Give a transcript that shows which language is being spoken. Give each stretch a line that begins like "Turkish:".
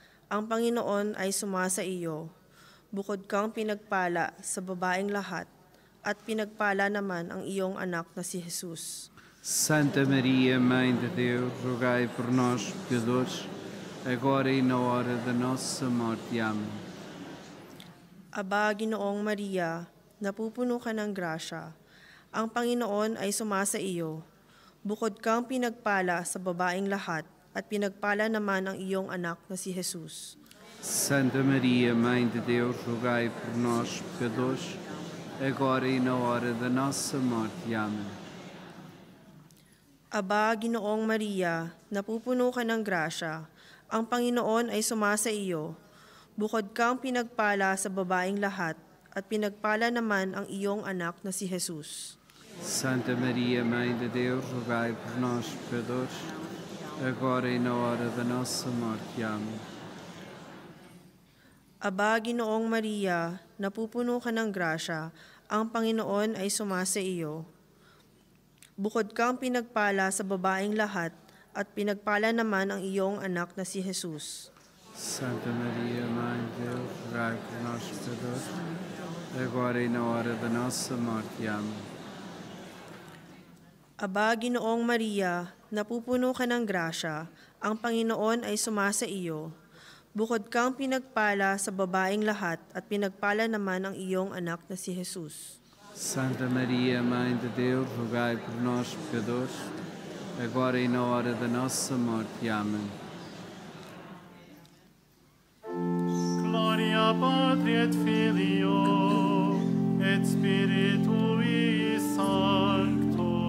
Filipino: Ang Panginoon ay sumasa iyo. Bukod kang pinagpala sa babaeng lahat, at pinagpala naman ang iyong anak na si Jesus.
Portuguese: Santa Maria, Mãe de Deus, rogai por nós, pecadores, agora e na hora da nossa morte. Amém.
Filipino: Aba, Ginoong Maria, napupuno ka ng grasya. Ang Panginoon ay sumasa iyo. Bukod kang pinagpala sa babaeng lahat, at pinagpala naman ang iyong anak na si Jesus.
Portuguese: Santa Maria, Mãe de Deus, rogai por nós, pecadores, agora e na hora da nossa morte. Amém.
Filipino: Aba, Ginoong Maria, napupuno ka ng grasya. Ang Panginoon ay sumasa iyo. Bukod kang pinagpala sa babaeng lahat, at pinagpala naman ang iyong anak na si Jesus.
Portuguese: Santa Maria, Mãe de Deus, rogai por nós, pecadores, agora e na hora da nossa morte. Amém.
Filipino: Aba, Ginoong Maria, napupuno ka ng grasya. Ang Panginoon ay sumasa iyo. Bukod kang pinagpala sa babaeng lahat, at pinagpala naman ang iyong anak na si Jesus.
Portuguese: Santa Maria, Mãe de Deus, rogai por nós, pecadores, agora e na hora da nossa morte. Amém.
Filipino: Aba, Ginoong Maria, napupuno ka ng grasya. Ang Panginoon ay sumasa iyo. Bukod kang pinagpala sa babaeng lahat, at pinagpala naman ang iyong anak na si Jesus.
Portuguese: Santa Maria, Mãe de Deus, rogai por nós, pecadores, agora e na hora da nossa morte. Amém. Glória ao Pai, et Filho, et Espírito Santo.